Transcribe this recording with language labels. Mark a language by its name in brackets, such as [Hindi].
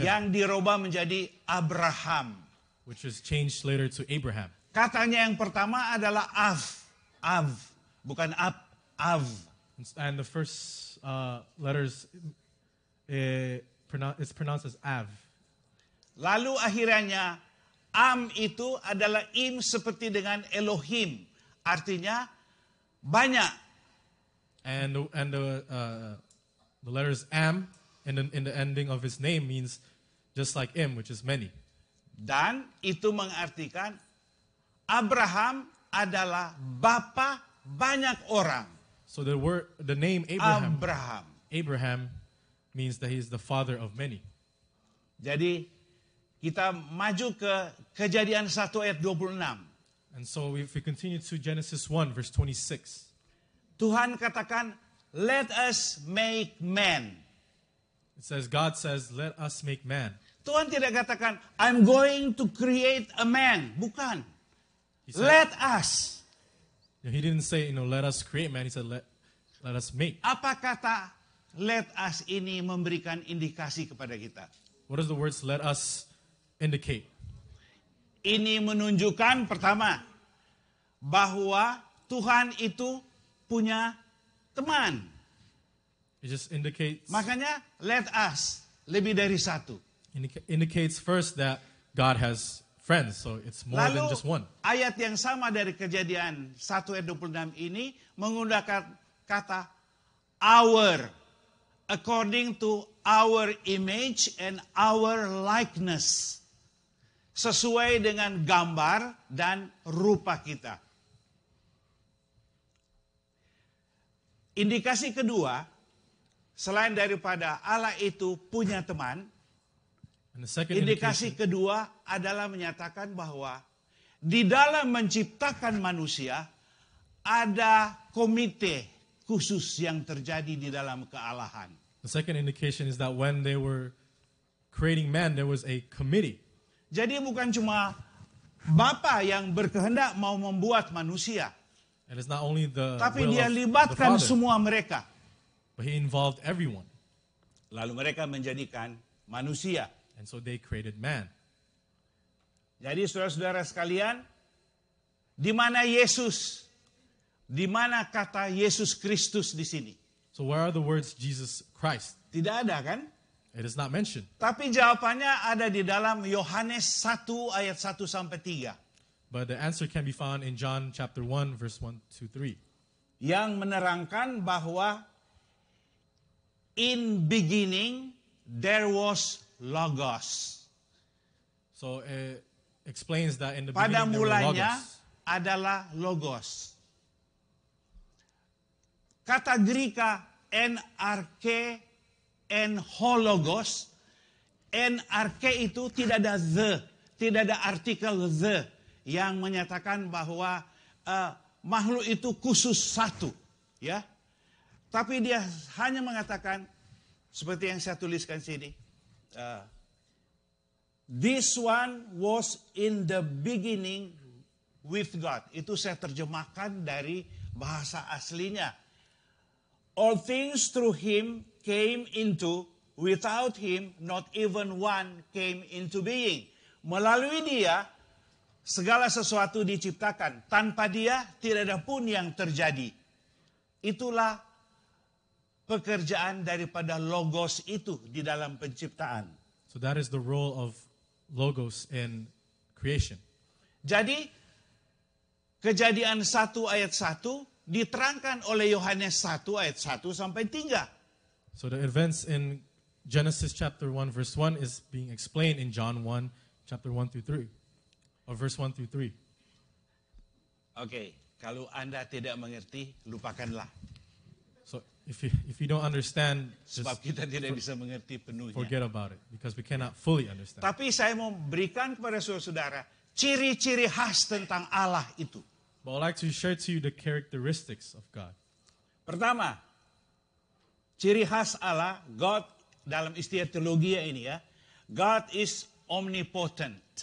[Indonesian] yang dirubah menjadi Abraham, [English] which is changed later to Abraham. [Indonesian] Katanya yang pertama adalah av, bukan ab, av. [English] And the first letters it's pronounced as av. [Indonesian] Lalu akhirnya am itu adalah im seperti dengan Elohim, artinya banyak. [English] And the letters am In the ending of his name means just like him, which is many. [Indonesian] Dan itu mengartikan Abraham adalah bapa banyak orang. [English] So the word, the name Abraham, Abraham. Abraham means that he is the father of many. [Indonesian] Jadi kita maju ke Kejadian 1 ayat 26. [English] And so if we continue to Genesis 1 verse 26. [Indonesian] Tuhan katakan, [English] let us make man. It says, God says, let us make man. [Indonesian] Tuhan tidak katakan, [English] I'm going to create a man. [Indonesian] Bukan. [English] Said, let us. He didn't say, you know, let us create man. He said, let us make. [Indonesian] Apa kata let us ini memberikan indikasi kepada kita? [English] What does the words let us indicate? [Indonesian] Ini menunjukkan pertama, bahwa Tuhan itu punya teman. [English] It just indicates. [Indonesian] Makanya let us lebih dari satu. [English] Indicates first that God has friends, so it's more [Indonesian] Lalu, [English] than just one. [Indonesian] Ayat yang sama dari Kejadian 1 ayat 26 ini menggunakan kata our, [English] according to our image and our likeness, [Indonesian] sesuai dengan gambar dan rupa kita. Indikasi kedua, selain daripada Allah itu punya teman, indikasi kedua adalah menyatakan bahwa di dalam menciptakan manusia, ada komite khusus yang terjadi di dalam kealahan. [English] The second indication is that when they were creating man, there was a committee. [Indonesian] Jadi bukan cuma Bapa yang berkehendak mau membuat manusia. [English] And it's not only the [Indonesian] Tapi dia libatkan semua mereka. [English] But he involved everyone. [Indonesian] Lalu mereka menjadikan manusia. [English] And so they created man. [Indonesian] Jadi saudara-saudara sekalian, di mana Yesus? Di mana kata Yesus Kristus di sini? [English] So where are the words Jesus Christ? [Indonesian] Tidak ada kan? [English] It is not mentioned. [Indonesian] Tapi jawabannya ada di dalam Yohanes 1 ayat 1 sampai 3. [English] But the answer can be found in John chapter 1 verse 1 to 3. [Indonesian] Yang menerangkan bahwa [English] in beginning there was logos. So it explains that in the [Indonesian] Pada [English] beginning [Indonesian] mulanya [English] there was logos. [Indonesian] Adalah logos. Kata Greek NRK en hologos, NRK itu tidak ada the, tidak ada artikel the yang menyatakan bahwa makhluk itu khusus satu, ya. Tapi dia hanya mengatakan seperti yang saya tuliskan sini. [English] This one was in the beginning with God. [Indonesian] Itu saya terjemahkan dari bahasa aslinya. [English] All things through him came into, without him, not even one came into being. [Indonesian] Melalui dia, segala sesuatu diciptakan. Tanpa dia, tidak ada pun yang terjadi. Itulah pekerjaan daripada logos itu di dalam penciptaan. [English] So that is the role of logos in creation. [Indonesian] Jadi, Kejadian 1 ayat 1, diterangkan oleh Yohanes 1 ayat 1 sampai 3. [English] So the events in Genesis chapter 1 verse 1 is being explained in John 1 chapter 1 through 3. Or verse 1 through 3. [Indonesian] Okay, kalau Anda tidak mengerti, lupakanlah. [English] So if you don't understand, [Indonesian] sebab kita tidak bisa mengerti penuhnya. [English] Forget about it because we cannot fully understand. [Indonesian] Tapi saya mau berikan kepada saudara ciri-ciri khas tentang Allah itu. [English] But I'd like to share to you the characteristics of God. [Indonesian] Pertama, ciri khas Allah, God dalam istilah teologi ini ya, [English] God is omnipotent.